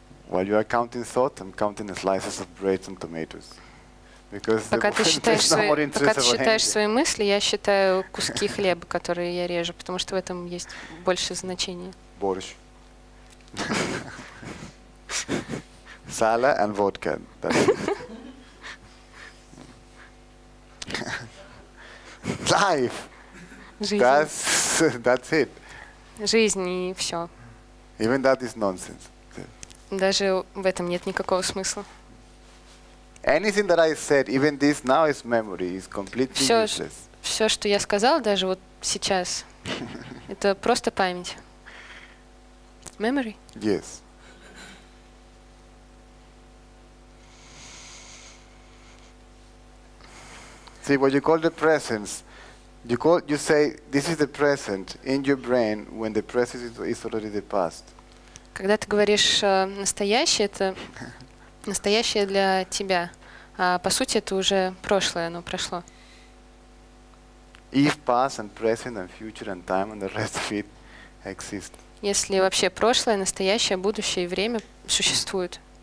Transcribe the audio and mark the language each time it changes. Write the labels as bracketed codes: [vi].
[en] While you are counting thought, I'm counting slices of bread and tomatoes. [ru] Пока ты считаешь свои мысли, я считаю куски хлеба, которые я режу, потому что в этом есть больше значения. Борщ. [en] Salad and vodka. Life. [ru] Жизнь. [en] That's it. [ru] Жизнь и все. [en] Even that is nonsense. [ru] Даже в этом нет никакого смысла. [en] Anything that I said, even this now is memory, is completely useless. [ru] Все, что я сказал, даже вот сейчас, это просто память. [en] Memory? Yes. See, what you call the presence, you say, this is the present in your brain when the present is already the past. [ru] Когда ты говоришь настоящее, это настоящее для тебя. А по сути, это уже прошлое, оно прошло. [en] If past and present and future and time and the rest of it exist. [ru] Если вообще прошлое, настоящее, будущее и время существуют.